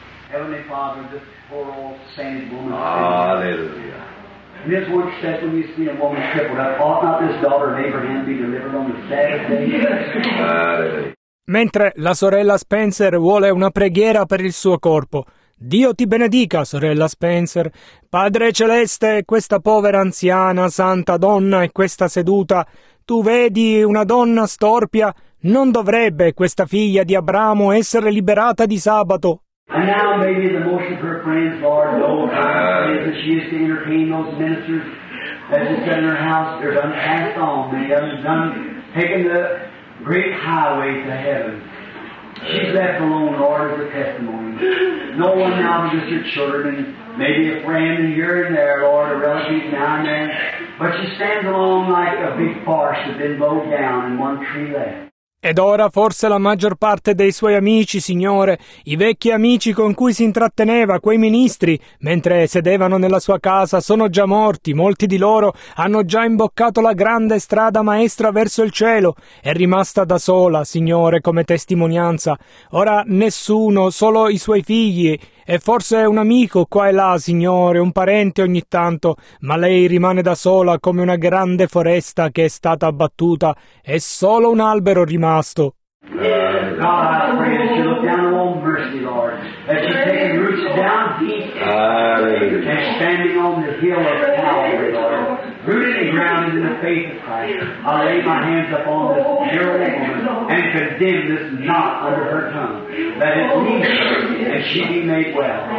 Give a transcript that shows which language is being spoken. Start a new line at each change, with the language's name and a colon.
English: Heavenly Father, this poor old saint woman. Hallelujah. This word says when you see a woman crippled up, ought not this daughter of Abraham be delivered on the Sabbath day? Yes.
Italian: Mentre la sorella Spencer vuole una preghiera per il suo corpo. Dio ti benedica, sorella Spencer. Padre Celeste, questa povera anziana, santa donna e questa seduta, tu vedi una donna storpia, non dovrebbe questa figlia di Abramo essere liberata di sabato.
English: And now maybe the motion of her friends, Lord, that she is to entertain those ministers that just in her house, they're done passed on, they have done taken the great highway to heaven. She's left alone, Lord, as a testimony. No one now but your children, maybe a friend here and there, Lord, a relative now and then. But she stands alone like a big forest that's been mowed down and one tree left.
Italian: Ed ora forse la maggior parte dei suoi amici, Signore, i vecchi amici con cui si intratteneva, quei ministri, mentre sedevano nella sua casa, sono già morti, molti di loro hanno già imboccato la grande strada maestra verso il cielo, è rimasta da sola, Signore, come testimonianza. Ora nessuno, solo i suoi figli, e forse un amico qua e là, Signore, un parente ogni tanto, ma lei rimane da sola come una grande foresta che è stata abbattuta, e solo un albero rimane.
English: God, I pray that she look down on mercy, Lord, that she take the roots down deep and standing on the hill of Calvary, Lord, rooted and grounded in the faith of Christ. I lay my hands upon this dear woman and condemn this knot under her tongue, that it leave her and she be made well.